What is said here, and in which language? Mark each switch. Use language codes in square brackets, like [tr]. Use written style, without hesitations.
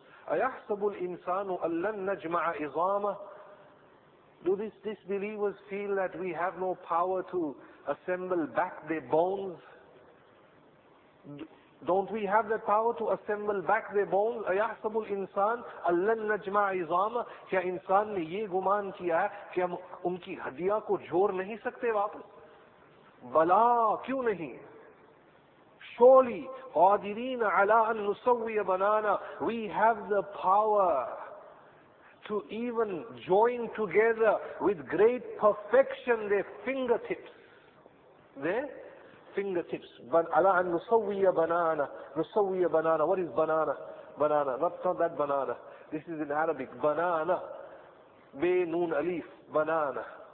[ar] أَيَحْسَبُ الْإِنسَانُ أَلَّنْ نَجْمَعَ إِظَامَهُ. [en] Do these disbelievers feel that we have no power to assemble back their bones? Don't we have the power to assemble back their bones? [ar] أَيَحْسَبُ الْإِنسَانُ أَلَّنْ نَجْمَعَ إِظَامَهُ. [ur] کیا انسان نے یہ گمان کیا ہے کہ ہم ان کی ہڈیا کو جوڑ نہیں سکتے واپس؟ بلا کیوں نہیں؟ [en] Surely, [ar] قادرين على أن نسوي بنانا. [en] We have the power to even join together with great perfection their fingertips. Their fingertips. [ar] على أن نسوي بنانا. نسوي بنانا. [en] What is banana? Banana. Not that banana. This is in Arabic. Banana. [ar] بنون أليف. [en] Banana.